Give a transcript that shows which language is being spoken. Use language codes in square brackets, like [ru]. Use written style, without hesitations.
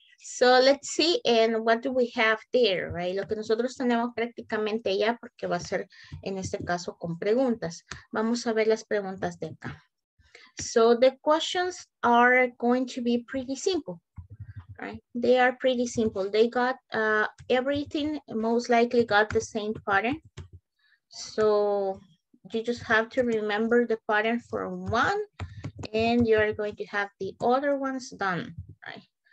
[en] So let's see and what do we have there, right? [es] Lo que nosotros tenemos prácticamente ya, porque va a ser en este caso con preguntas. Vamos a ver las preguntas de acá. [en] So the questions are going to be pretty simple, right? They are pretty simple. They got everything, most likely got the same pattern. So you just have to remember the pattern for one and you're going to have the other ones done, right?